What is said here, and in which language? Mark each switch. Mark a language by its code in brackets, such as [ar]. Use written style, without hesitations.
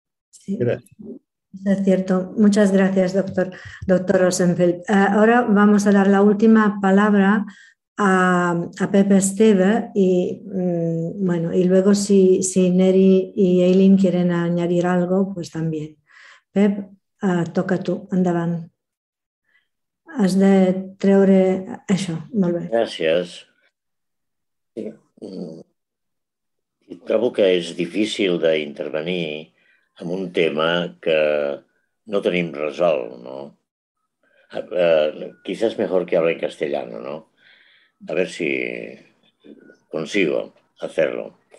[es] Sí, gracias. Es cierto. Muchas gracias, doctor Rosenfeld. Ahora vamos a dar la última palabra a Pepe Esteve y bueno, y luego si Neri y Eileen quieren añadir algo, pues también. [ca] Pep, toca tu, endavant. Has de treure això, molt bé. Gràcies. Sí. Trobo que és difícil d'intervenir en un tema que no tenim resolt, no? [es] Quizás mejor que hable en castellano, no? A ver si consigo hacerlo.